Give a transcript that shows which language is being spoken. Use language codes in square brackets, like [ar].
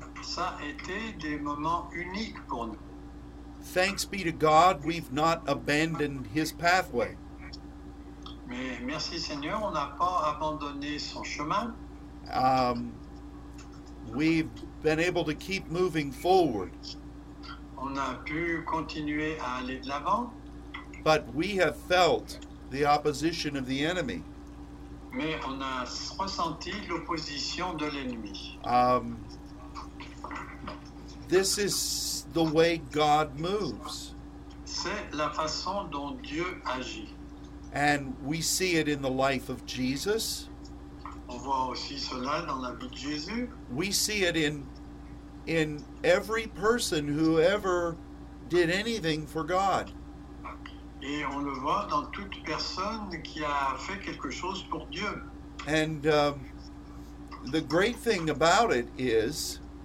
[fr] Ça a été des moments uniques pour nous. [en] Thanks be to God, we've not abandoned His pathway. [fr] Mais merci Seigneur, on n'a pas abandonné son chemin. [en] We've been able to keep moving forward. [fr] On a pu continuer à aller de l'avant. [en] But we have felt the opposition of the enemy. [fr] Mais on a ressenti l'opposition de l'ennemi. [en] This is the way God moves. [fr] C'est la façon dont Dieu agit. [en] And we see it in the life of Jesus. [fr] On voit aussi cela dans la vie de Jésus. [en] We see it in every person who ever did anything for God. [fr] Et on le voit dans toute personne qui a fait quelque chose pour Dieu. [en] And the great thing about it is